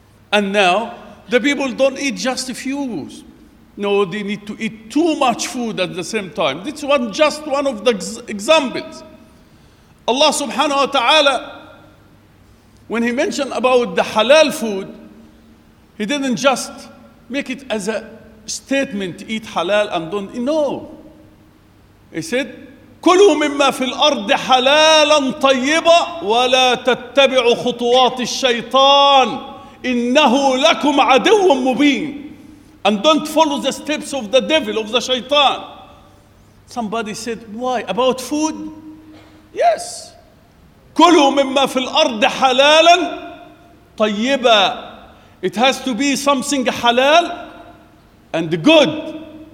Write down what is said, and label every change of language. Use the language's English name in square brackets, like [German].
[English] And now the people don't eat just a few. No, they need to eat too much food at the same time. This one, just one of the examples. Allah subhanahu wa ta'ala, when he mentioned about the halal food, he didn't just make it as a statement to eat halal and don't eat. No, he said, [Arabic] كُلُوا مِمَّا فِي الْأَرْضِ حَلَالًا طَيِّبًا وَلَا تَتَّبِعُوا خُطُوَاتِ الشَّيْطَانِ إِنَّهُ لَكُمْ عَدُوٌ مُبِينٌ. [English] And don't follow the steps of the devil, of the shaitan. Somebody said, why? About food? Yes. [Arabic] كُلُوا مِمَّا فِي الْأَرْضِ حَلَالًا طَيِّبًا. [English] It has to be something halal and good.